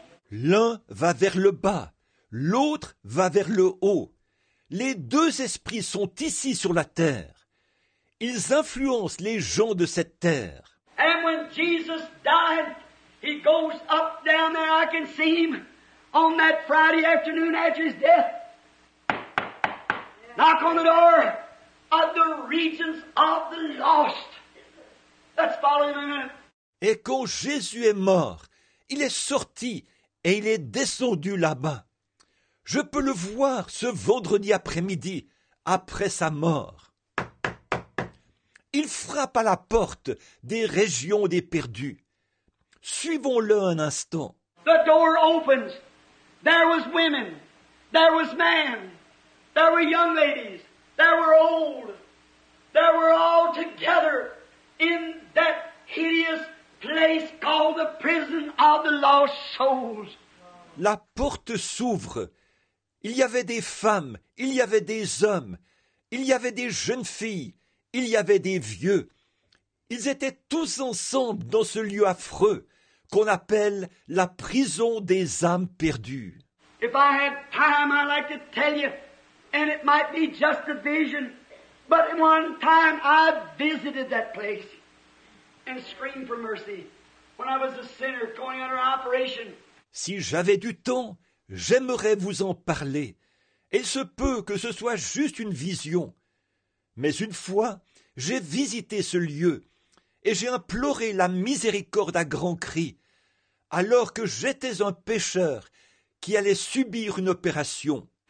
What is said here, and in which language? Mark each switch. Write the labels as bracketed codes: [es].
[fr] L'un va vers le bas, l'autre va vers le haut. Les deux esprits sont ici sur la terre. Ils influencent les gens de cette terre. [en] And when Jesus died, he goes up down there. I can see him on that Friday afternoon after his death. Knock on the door of the regions of the lost. That's following him. [fr] Et quand Jésus est mort, il est sorti et il est descendu là-bas. Je peux le voir ce vendredi après-midi, après sa mort. Il frappe à la porte des régions des perdus. Suivons-le un instant. [en] The door opens. There was women. There was men. There were young ladies. There were old. There were all together in that hideous place called the prison of the lost souls. [fr] La porte s'ouvre. Il y avait des femmes, il y avait des hommes, il y avait des jeunes filles, il y avait des vieux. Ils étaient tous ensemble dans ce lieu affreux qu'on appelle la prison des âmes perdues. [en] If I had time, I'd like to tell you, and it might be just a vision, but one time I visited that place and screamed for mercy when I was a sinner going under operation. [fr] Si j'avais du temps, j'aimerais vous en parler. Il se peut que ce soit juste une vision. Mais une fois, j'ai visité ce lieu et j'ai imploré la miséricorde à grands cris, alors que j'étais un pécheur qui allait subir une opération.